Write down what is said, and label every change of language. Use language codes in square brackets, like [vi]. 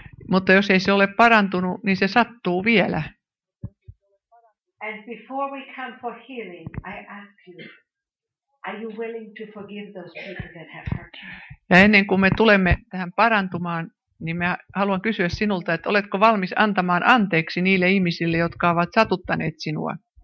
[fi] Mutta jos ei se ole parantunut, niin se sattuu vielä. [en] And before we come for healing, I ask you, are you willing to forgive those people that have hurt you? [fi] Ja ennen kuin me tulemme tähän parantumaan, niin mä haluan kysyä sinulta, että oletko valmis antamaan anteeksi niille ihmisille, jotka ovat satuttaneet sinua?